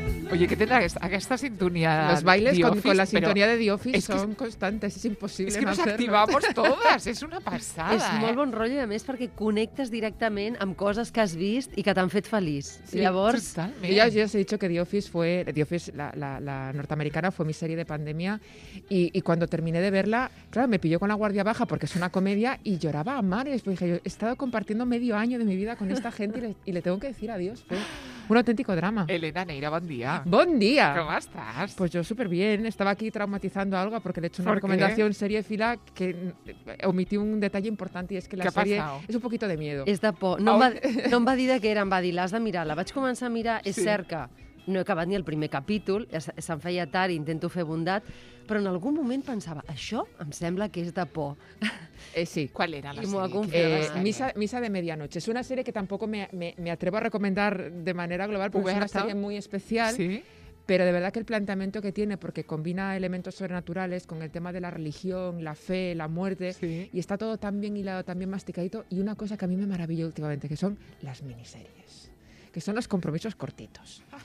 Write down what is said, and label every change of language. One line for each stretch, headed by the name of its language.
Spanish: Oye, ¿qué tendrá esta sintonía? Los bailes con la sintonía de The Office son constantes, es imposible. Es que nos activamos todas, es una pasada.
Catalan: És molt bon rotllo, a més, perquè connectes directament amb coses que has vist i que t'han fet feliç.
Spanish: Sí, llavors, ja us he dit que The Office, la nord-americana, fue mi serie de pandemia y cuando terminé de verla, claro, me pilló con la guardia baja porque es una comedia y lloraba a mares. Dije, yo he estado compartiendo medio año de mi vida con esta gente y le tengo que decir adiós. Un auténtico drama. Elena Neira, buen día. ¡Buen día! ¿Cómo estás? Pues yo súper bien. Estaba aquí traumatizando algo porque le he hecho una recomendación serie fila que omití un detalle importante y es que la serie es un poquito de miedo.
Catalan: Es de por. No em va dir de què era, em va dir, l'has de mirar. La vaig començar a mirar, és cerca. No he acabat ni el primer capítol, se'm feia tard, intento fer bondat, però en algun moment pensava, això em sembla que és de por. Sí.
Spanish: ¿Cuál era la serie? Misa de Medianoche. Es una serie que tampoco me atrevo a recomendar de manera global, porque es una serie muy especial. ¿Sí? Pero de verdad que el planteamiento que tiene, porque combina elementos sobrenaturales con el tema de la religión, la fe, la muerte, ¿sí? Y está todo tan bien hilado, tan bien masticadito. Y una cosa que a mí me maravilló últimamente, que son las miniseries, que son los compromisos cortitos.